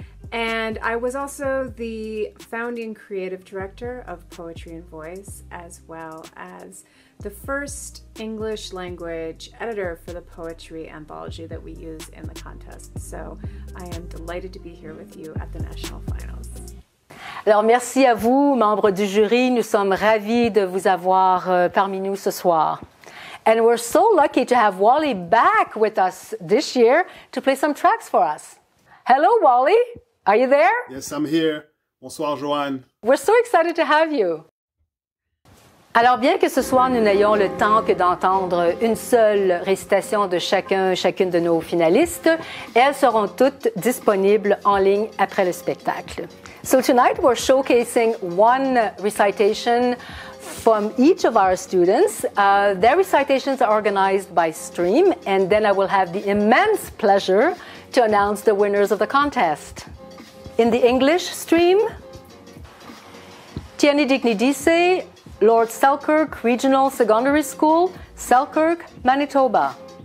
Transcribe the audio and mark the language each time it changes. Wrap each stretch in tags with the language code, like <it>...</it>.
<en>And I was also the founding creative director of Poetry and Voice, as well as the first English language editor for the poetry anthology that we use in the contest. So I am delighted to be here with you at the national finals.</en> <fr>Alors, merci à vous, membres du jury. Nous sommes ravis de vous avoir parmi nous ce soir.</fr> <en>And we're so lucky to have Wally back with us this year to play some tracks for us. Hello, Wally. Are you there? Yes, I'm here.</en> <fr>Bonsoir,</fr> <en>Joanne. We're so excited to have you.</en> <fr>Alors, bien que ce soir, nous n'ayons le temps que d'entendre une seule récitation de chacune de nos finalistes, elles seront toutes disponibles en ligne après le spectacle.</fr> <en>So tonight, we're showcasing one recitation from each of our students. Their recitations are organized by stream, and then I will have the immense pleasure to announce the winners of the contest. In the English stream, Tieni Digni Dise, Lord Selkirk Regional Secondary School, Selkirk, Manitoba.</en>